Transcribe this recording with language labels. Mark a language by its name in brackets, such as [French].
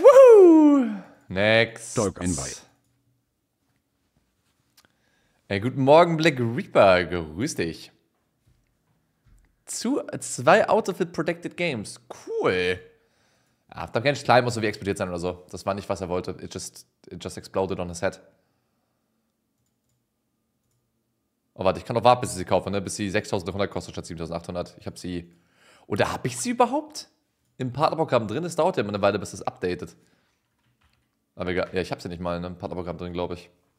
[English] Woohoo! Next. [German] Hey, guten Morgen, Black Reaper. Grüß dich. Zwei Autofit Protected Games. Cool. Habt ihr keinen Schleim, muss so wie explodiert sein oder so. Das war nicht, was er wollte. [English] It just exploded on his head. [German] Oh, warte, ich kann noch warten, bis ich sie kaufe, ne? Bis sie 6.300 kostet statt 7.800. Ich habe sie. Oder habe ich sie überhaupt? Im Partnerprogramm drin, es dauert ja immer eine Weile, bis es updatet. Aber egal, ja, ich hab's ja nicht mal in einem Partnerprogramm drin, glaube ich.